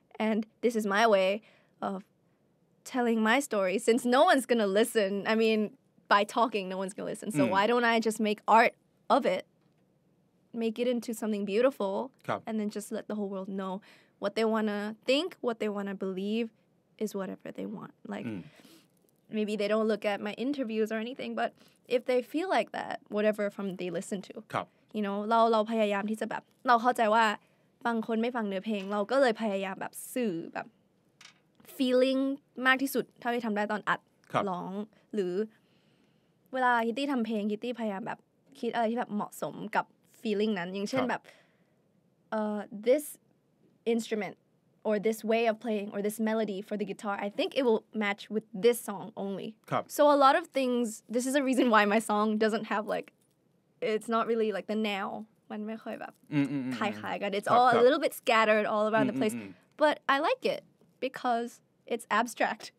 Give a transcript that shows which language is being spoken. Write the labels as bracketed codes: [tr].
[en] And this is my way of telling my story. Since no one's going to listen, I mean, by talking, no one's going to listen. So why don't I just make art of it, make it into something beautiful, and then just let the whole world know what they want to think, what they want to believe is whatever they want. Like... Maybe they don't look at my interviews or anything, but if they feel like that, whatever from they listen to, you know, [th] เราพยายามที่จะแบบเราเข้าใจว่าบางคนไม่ฟังเนื้อเพลงเราก็เลยพยายามแบบสื่อแบบ feeling มากที่สุดเท่าที่ทำได้ตอนอัดร้องหรือ เวลาคิตตี้ทำเพลงคิตตี้พยายามแบบคิดอะไรที่แบบเหมาะสมกับ feeling นั้นอย่างเช่นแบบ [en] this instrumentOr this way of playing, or this melody for the guitar, I think it will match with this song only. So a lot of things. This is a reason why my song doesn't have like, it's not really like the now when [th] ไม่ค่อยแบบคล้ายคล้ายกัน [en] It's all a little bit scattered all around the place, but I like it because it's abstract.